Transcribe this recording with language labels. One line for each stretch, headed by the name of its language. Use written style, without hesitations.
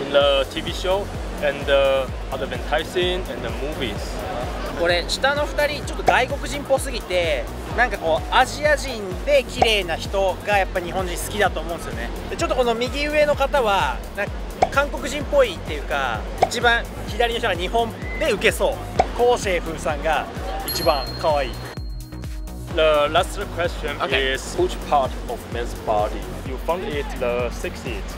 English: In the TV show and advertising and the movies.
Japanese: これ下の2人ちょっと外国人っぽすぎて、なんかこうアジア人で綺麗な人がやっぱ日本人好きだと思うんですよね。ちょっとこの右上の方は韓国人っぽいっていうか、一番左の人が日本で受けそう。コウシェイフンさんが一番可愛い。
English: The last question is which part of man's body you found it the sexiest？